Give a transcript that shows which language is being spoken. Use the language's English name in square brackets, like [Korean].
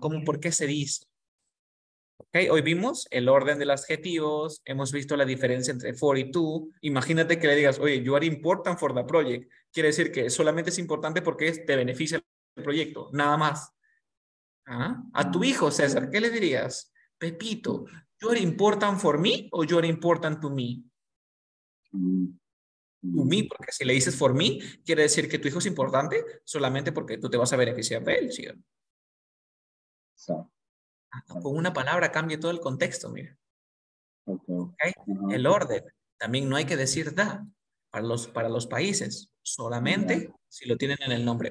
[Spanish] ¿Cómo, por qué se dice? Okay. Hoy vimos el orden de los adjetivos, hemos visto la diferencia entre for y to. Imagínate que le digas, oye, [English] you are important for the project. [Spanish] Quiere decir que solamente es importante porque te beneficia el proyecto, nada más. ¿Ah? A tu hijo, César, ¿qué le dirías? [English] Pepito, ¿you are important for me o you are important to me? [Spanish] To me, porque si le dices for me, quiere decir que tu hijo es importante solamente porque tú te vas a beneficiar de él, ¿sí? Con una palabra cambia todo el contexto, mira. ¿Okay? El orden. También no hay que decir da para los países, solamente si lo tienen en el nombre.